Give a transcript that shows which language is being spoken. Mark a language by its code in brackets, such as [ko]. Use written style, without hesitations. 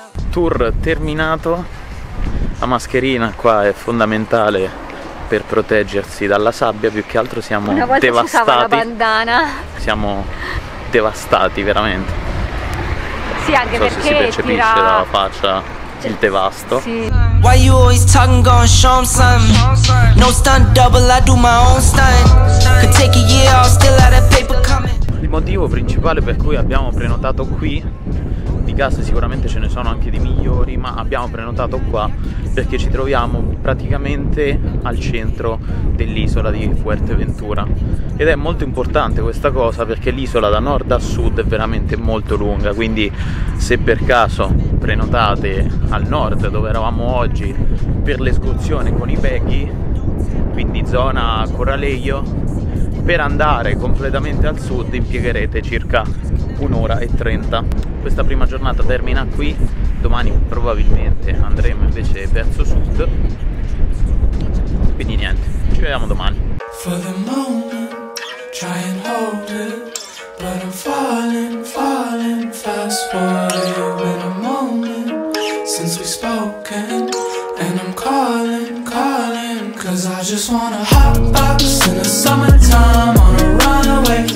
[it] Tour terminato, la mascherina qua è fondamentale per proteggersi dalla sabbia, più che altro siamo devastati. Una volta usava la bandana. Siamo devastati veramente. Sì, anche non so perché si percepisce tira dalla faccia il devasto. Sì. [en] Why you always talking gon' show 'em something? No stunt double, I do my own stunt. Could take a year, I'll still have that paper coming. [it] Il motivo principale per cui abbiamo prenotato qui, di gas sicuramente ce ne sono anche di migliori, ma abbiamo prenotato qua perché ci troviamo praticamente al centro dell'isola di Fuerteventura, ed è molto importante questa cosa perché l'isola da nord a sud è veramente molto lunga, quindi se per caso prenotate al nord dove eravamo oggi per l'escursione con i baggy, quindi zona Corraleggio, per andare completamente al sud impiegherete circa 1 ora e 30. Questa prima giornata termina qui, domani probabilmente andremo invece verso sud, quindi niente, ci vediamo domani. [en] For the moment, try and hold it, but I'm falling, falling fast forward. It's been a moment since we've spoken, and I'm calling, calling, cause I just wanna hot box in the summertime on a runaway.